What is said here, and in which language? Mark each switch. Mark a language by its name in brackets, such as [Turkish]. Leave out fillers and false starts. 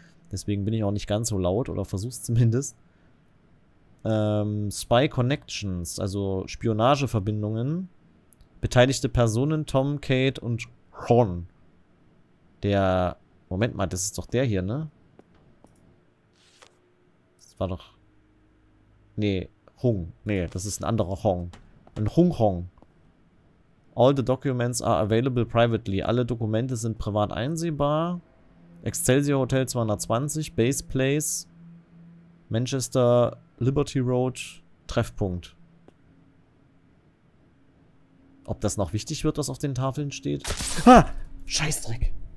[German] Deswegen bin ich auch nicht ganz so laut oder versuch's zumindest. [English] Spy Connections, [German] also Spionageverbindungen. Beteiligte Personen, Tom, Kate und Horn. Der, Moment mal, das ist doch der hier, ne? Das war doch... Nee, Hong. Nee, das ist ein anderer Hong. Ein Hong Hong. [English] All the documents are available privately. [German] Alle Dokumente sind privat einsehbar. Excelsior Hotel 220, Base Place, Manchester, Liberty Road, Treffpunkt. Ob das noch wichtig wird, was auf den Tafeln steht? Ah! Scheißdreck!